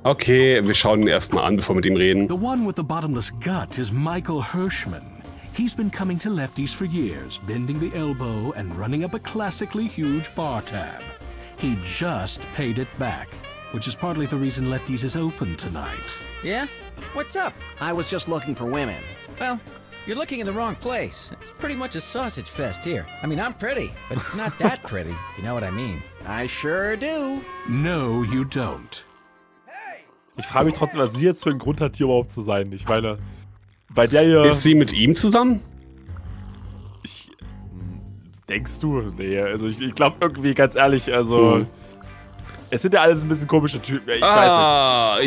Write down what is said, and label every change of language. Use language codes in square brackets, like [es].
[de] Okay, wir schauen ihn erstmal an, bevor wir mit ihm reden. [en] The one with the bottomless gut is Michael Hirschman. He's been coming to Lefty's for years, bending the elbow and running up a classically huge bar tab. He just paid it back, which is partly the reason Lefty's is open tonight. Yeah? What's up? I was just looking for women. Well, you're looking in the wrong place. It's pretty much a sausage fest here. I mean, I'm pretty, but not that pretty, if you know what I mean. I sure do. No, you don't. [de] Ich frage mich trotzdem, was sie jetzt für einen Grund hat, hier überhaupt zu sein. Ich meine, bei der hier... Ist sie mit ihm zusammen? Denkst du? Nee, also ich glaube irgendwie, ganz ehrlich, also... Es sind ja alles ein bisschen komische Typen, ich weiß nicht.